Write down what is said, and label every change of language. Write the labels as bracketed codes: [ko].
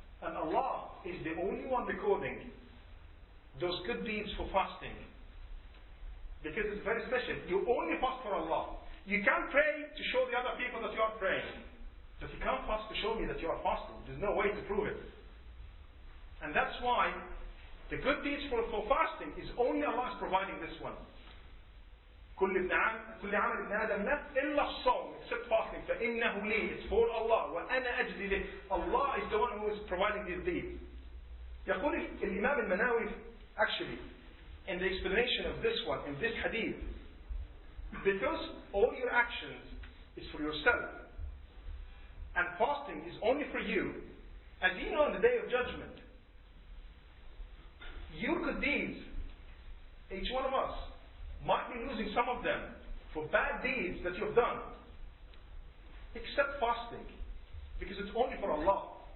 [en] And Allah is the only one recording those good deeds for fasting. Because it's very special. You only fast for Allah. You can't pray to show the other people that you are praying. But you can't fast to show me that you are fasting. There's no way to prove it. And that's why The good deeds for fasting is only Allah is providing this one. [ar] كل عمل ابن آدم إلا الصوم [en] except fasting [ar] فإنه لي [en] it's for Allah [ar] وأنا أجزي له. [en] Allah is the one who is providing these deeds. [ar] يقول الإمام المناوي [en] actually in the explanation of this one in this hadith, because all your actions is for yourself and fasting is only for you, as you know on the day of judgment your good deeds, each one of us might be losing some of them for bad deeds that you've done, except fasting, because it's only for Allah.